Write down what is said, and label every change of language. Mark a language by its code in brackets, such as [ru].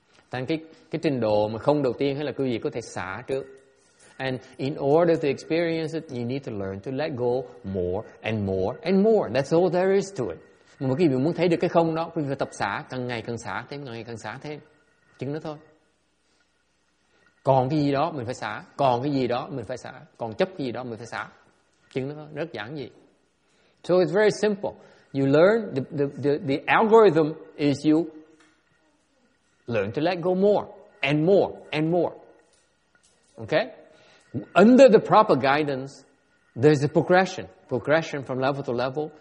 [vi] Thành cái trình độ mà không đầu tiên hay là quý vị có thể xả trước. [en] And in order to experience it, you need to learn to let go more and more and more. That's all there is to it. [vi] Mà quý vị muốn thấy được cái không đó, quý vị phải tập xả, càng ngày càng xả thêm. Chừng đó thôi. Còn cái gì đó mình phải xả, còn cái gì đó mình phải xả, còn chấp cái gì đó mình phải xả. Chứ nó rất giản dị. [en] So it's very simple. You learn, the algorithm is you learn to let go more and more and more. Okay? Under the proper guidance, there's a progression. Progression from level to level.